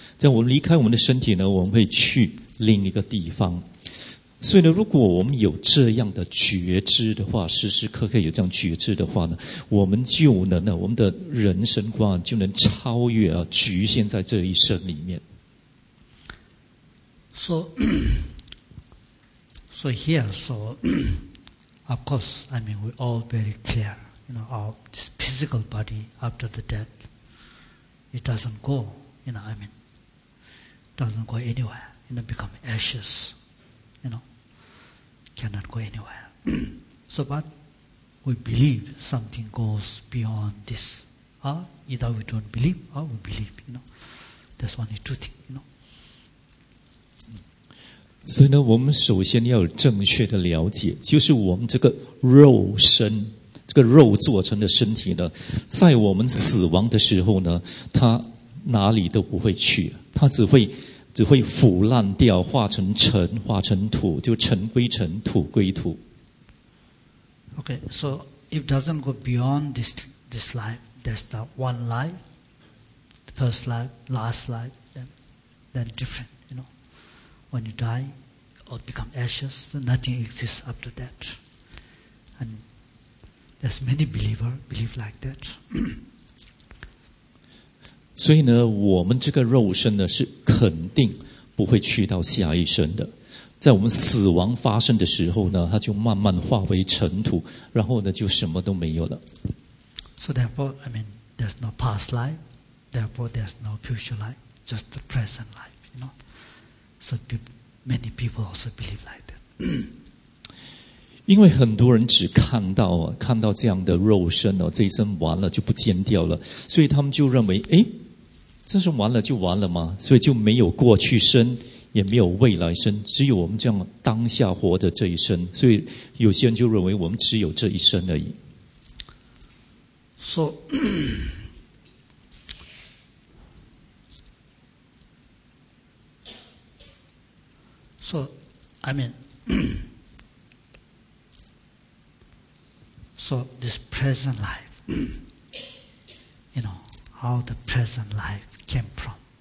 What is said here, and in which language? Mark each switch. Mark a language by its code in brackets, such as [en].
[zh] 这样我们离开我们的身体呢，我们会去另一个地方。所以呢，如果我们有这样的觉知的话，时时刻刻有这样觉知的话呢，我们就能呢，我们的人生观就能超越啊，局限在这一生里面。 [en] So here, so of course, I mean, we all very clear, you know, our this physical body after the death, it doesn't go, you know, I mean, doesn't go anywhere, you know, become ashes, you know. Cannot go anywhere. So, but we believe something goes beyond this. Either we don't believe or we believe, you know. That's only two things, you know. [zh] 所以呢，我们首先要有正确的了解，就是我们这个肉身，这个肉做成的身体呢，在我们死亡的时候呢，它哪里都不会去，它只会腐烂掉，化成尘，化成土，就尘归尘，土归土。 [en] Okay, so if doesn't go beyond this life, that's the one life, the first life, last life, then different, you know. When you die, or become ashes, nothing exists after that. And there's many believers believe like that. [zh] 所以呢，我们这个肉身呢是肯定不会去到下一生的，在我们死亡发生的时候呢，它就慢慢化为尘土，然后呢就什么都没有了。 [en] So therefore, I mean, there's no past life, therefore there's no future life, just the present life, you know. So many people also believe like that. [zh] 因为很多人只看到这样的肉身哦，这一生完了就不见掉了，所以他们就认为，哎。这是完了就完了吗？所以就没有过去生，也没有未来生，只有我们这样当下活的这一生。所以有些人就认为我们只有这一生而已。 [en] So, so, I mean, so this present life, you know, how the present life came from.